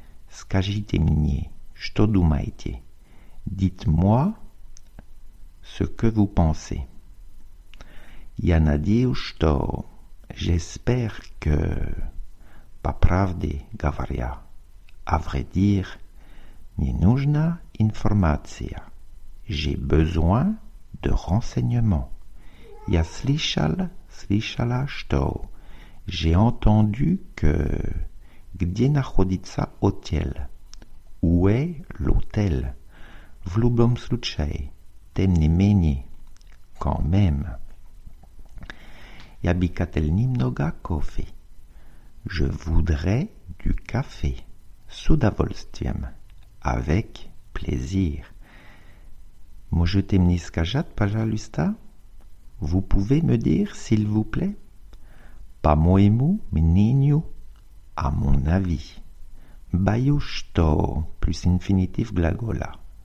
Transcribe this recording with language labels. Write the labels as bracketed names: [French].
[Russian] Скажите мне, что думаете? [French] Dites-moi ce que vous pensez. [Russian] Я надеюсь, что... [French] J'espère que... [Russian] По правде говоря. [French] À vrai dire, [Russian] мне нужна информация. [French] J'ai besoin de renseignements. [Russian] Я слышала, что... [French] J'ai entendu que... [Russian] Где находится отель? [French] Où est l'hôtel? [Russian] В любом случае, тем не менее, [French] quand même. [Russian] Я бы хотел немного кофе. [French] Je voudrais du café. [Russian] С удовольствием. [French] Avec plaisir. [Russian] Можете мне сказать, пожалуйста? [French] Vous pouvez me dire, s'il vous plaît? [Russian] По моему мнению, [French] à mon avis. [Russian] Боюсь, что... [French] Plus infinitif глагола.